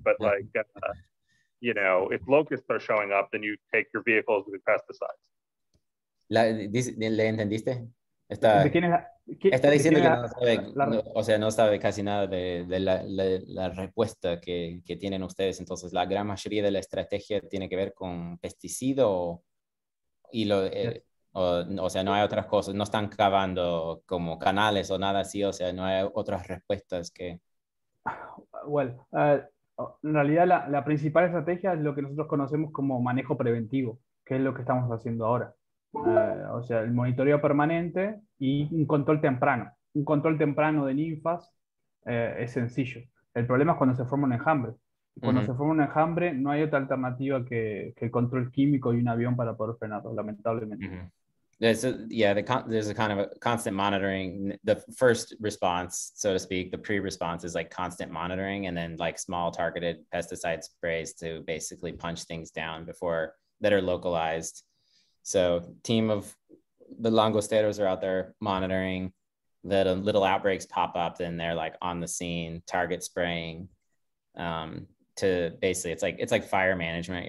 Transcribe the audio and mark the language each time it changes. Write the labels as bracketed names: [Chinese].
[English] But if locusts are showing up, then you take your vehicles with pesticides. [Spanish] ¿Le entendiste? Está diciendo que no sabe casi nada de la respuesta que tienen ustedes. Entonces, la gran mayoría de la estrategia tiene que ver con pesticido y no hay otras cosas. No están cavando como canales o nada así. O sea, no hay otras respuestas que... Well, en realidad la principal estrategia es lo que nosotros conocemos como manejo preventivo, que es lo que estamos haciendo ahora. El monitoreo permanente y un control temprano de ninfas es sencillo. El problema es cuando se forma un enjambre. Cuando se forma un enjambre no hay otra alternativa que el control químico y un avión para poder frenarlo, lamentablemente. [English] There's a kind of a constant monitoring. The first response, so to speak, the pre-response is like constant monitoring, and then like small targeted pesticide sprays to basically punch things down before that are localized. So team of the langosteros are out there monitoring that a little outbreaks pop up and they're like on the scene target spraying it's like fire management.